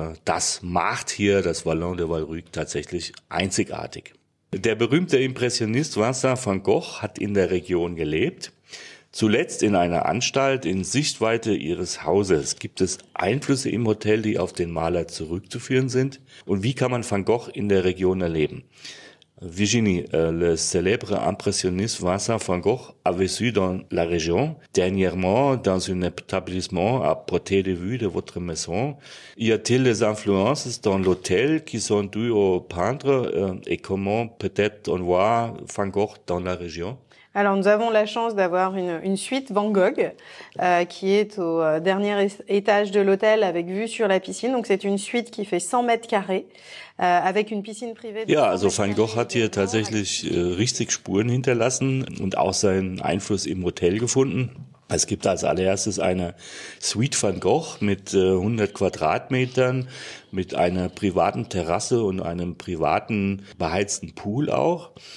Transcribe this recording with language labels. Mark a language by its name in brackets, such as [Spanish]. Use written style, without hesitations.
[German] Das macht hier das Vallon de Valrhuc tatsächlich einzigartig. Der berühmte Impressionist Vincent van Gogh hat in der Region gelebt. Zuletzt in einer Anstalt in Sichtweite ihres Hauses. Gibt es Einflüsse im Hotel, die auf den Maler zurückzuführen sind? Und wie kann man Van Gogh in der Region erleben? [French] Virginie, le célèbre impressionniste Vincent Van Gogh a vécu dans la région, dernièrement dans un établissement à portée de vue de votre maison. Y a-t-il des influences dans l'hôtel qui sont dues au peintre? Et comment peut-être on voit Van Gogh dans la région? Alors, nous avons la chance d'avoir une suite Van Gogh qui est au dernier étage de l'hôtel avec vue sur la piscine. Donc, c'est une suite qui fait 100 mètres carrés avec une piscine privée. [German] Ja, also Van Gogh hat hier tatsächlich richtig Spuren hinterlassen und auch seinen Einfluss im Hotel gefunden. Es gibt als allererstes eine Suite Van Gogh mit 100 Quadratmetern, mit einer privaten Terrasse und einem privaten beheizten Pool auch.